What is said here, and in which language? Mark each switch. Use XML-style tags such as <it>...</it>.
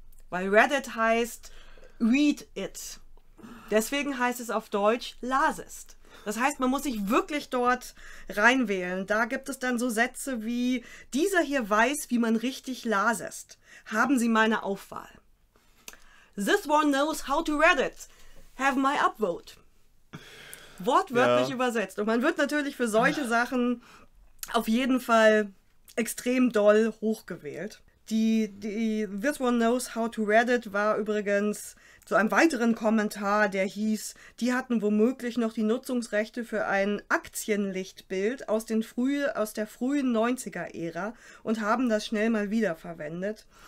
<de>Weil Reddit heißt Read It. Deswegen heißt es auf Deutsch Lasest. Das heißt, man muss sich wirklich dort reinwählen. Da gibt es dann so Sätze wie, dieser hier weiß, wie man richtig lasest. Haben Sie meine Aufwahl?</de> <en>This one knows how to Reddit. Have my upvote.</en> <de>Wortwörtlich übersetzt. Und man wird natürlich für solche Sachen auf jeden Fall extrem doll hochgewählt. Die This One Knows How to Reddit war übrigens zu einem weiteren Kommentar, der hieß, die hatten womöglich noch die Nutzungsrechte für ein Aktienlichtbild aus der frühen 90er-Ära und haben das schnell mal wieder verwendet.</de>